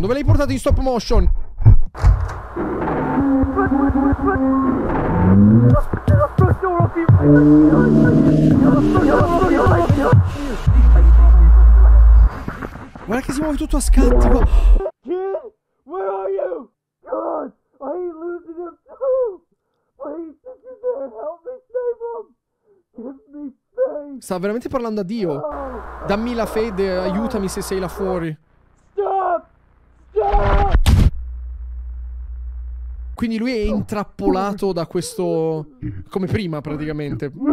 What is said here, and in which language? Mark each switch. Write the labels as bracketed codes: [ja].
[it] Dove l'hai portato in stop motion? Guarda che si muove tutto a scatti. [en] Kid, where are you? God, I ain't losing him too. Please, this is there. Help me save him. Give me faith. [it] Sta veramente parlando a Dio. Dammi la fede, aiutami se sei là fuori. Quindi lui è intrappolato da questo... Come prima, praticamente.